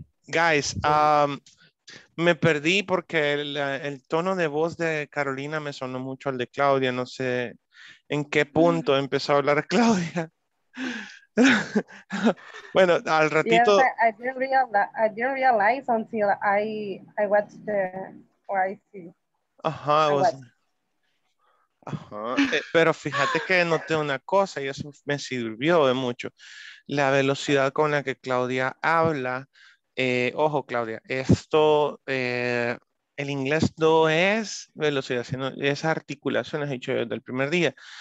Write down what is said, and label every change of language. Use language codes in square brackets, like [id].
[es] Guys, me perdí porque el tono de voz de Carolina me sonó mucho al de Claudia. No sé en qué punto empezó a hablar Claudia. Bueno, al ratito. [en] Yes, I didn't realize until I watched the YC. [es] Ajá. Pero fíjate que noté una cosa y eso me sirvió de mucho. La velocidad con la que Claudia habla. Ojo, Claudia, esto, el inglés no es velocidad, sino es articulación, he dicho desde el primer día.